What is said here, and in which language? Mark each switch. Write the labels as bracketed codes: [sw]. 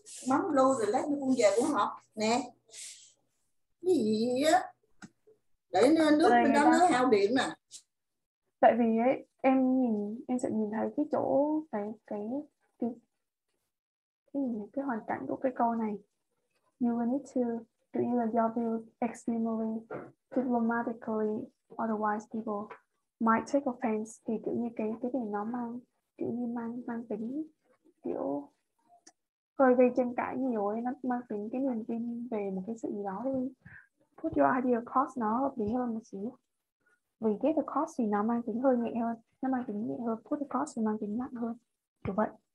[vi] Bấm lưu rồi lát như con về cũng học. Nè. Cái gì vậy? Để nước bên đó nó hao điện nè. Tại vì ấy, em sẽ nhìn thấy cái chỗ, cái hoàn cảnh của cái câu này. [en] You will need to do either job you extremely diplomatically, otherwise people might take offense. [vi] Thì kiểu như cái này nó mang, kiểu như mang tính kiểu hơi gây tranh cãi nhiều ấy, nó mang tính cái niềm tin về một cái sự gì đó thì [en] put your idea across [vi] nó hợp lý hơn một xíu. Vì get across thì nó mang tính hơi nhẹ hơn, nó mang tính nhẹ hơn, put across thì mang tính nặng hơn, kiểu vậy.